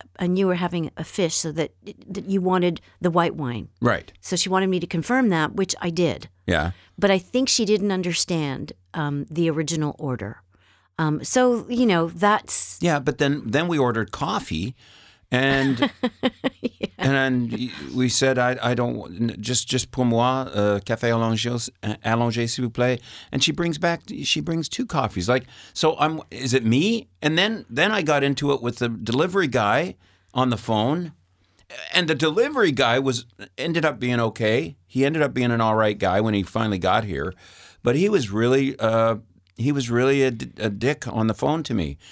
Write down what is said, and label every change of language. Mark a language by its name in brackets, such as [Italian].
[English] And you were having a fish, so that you wanted the white wine. Right. So she wanted me to confirm that, which I did. Yeah. But I think she didn't understand the original order. So, you know, that's... Yeah, but then we ordered coffee, and yeah. And we said, I don't... Just [French] pour moi, café allongé, s'il vous plaît. [English] And she brings two coffees. Like, so I'm... Is it me? And then I got into it with the delivery guy on the phone, and the delivery guy ended up being okay. He ended up being an all right guy when he finally got here, but he was really a dick on the phone to me.